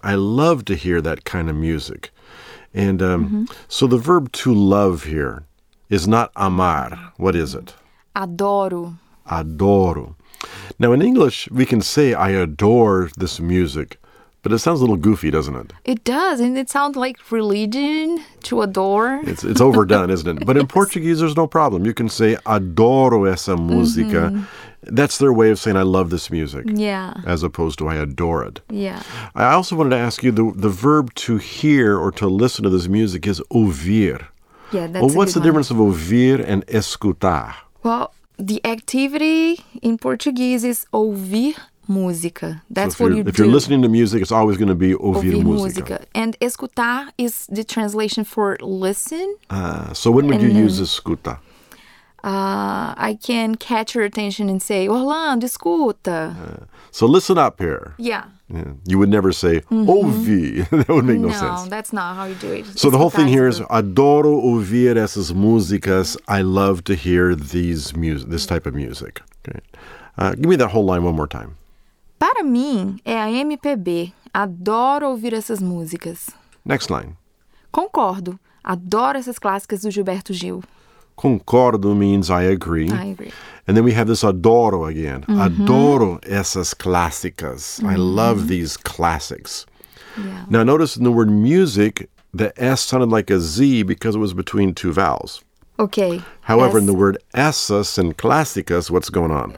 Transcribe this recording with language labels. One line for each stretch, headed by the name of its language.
English: I love to hear that kind of music. And so the verb to love here is not amar. What is it?
Portuguese: Adoro. Adoro.
English: Now, in English, we can say, I adore this music, but it sounds a little goofy, doesn't it? It does, and it sounds like religion, to adore. It's overdone, isn't it? But in Portuguese, there's no problem. You can say,
Portuguese: adoro essa música.
English: Mm-hmm. That's their way of saying, I love this music. Yeah. As opposed to, I adore it. Yeah. I also wanted to ask you, the verb to hear or to listen to this music is ouvir. Yeah, that's Well, what's a good the difference one. Of ouvir and escutar? Well, the activity in Portuguese is
Portuguese: ouvir música.
English: That's what you do. If you're listening to music, it's always going to be
Portuguese: ouvir música.
English: And escutar is the translation for listen. So when would you use escutar? I can catch your attention and say, Orlando, escuta. So listen up here. Yeah. You would never say, ouvi. That would make no sense. No, that's not how you do it. So the whole thing here is,
Portuguese: adoro ouvir essas músicas.
English: I love to hear this type of music. Okay. Give me that whole line one more time.
Portuguese: Para mim, é a MPB. Adoro ouvir essas músicas.
English: Next line.
Portuguese: Concordo. Adoro essas clássicas do Gilberto Gil.
English: Concordo means I agree. I agree. And then we have this adoro again. Mm-hmm.
Portuguese: Adoro essas clásicas.
English: Mm-hmm. I love these classics. Yeah. Now notice in the word music, the S sounded like a Z because it was between two vowels. Okay. However, in the word essas and clásicas, what's going on?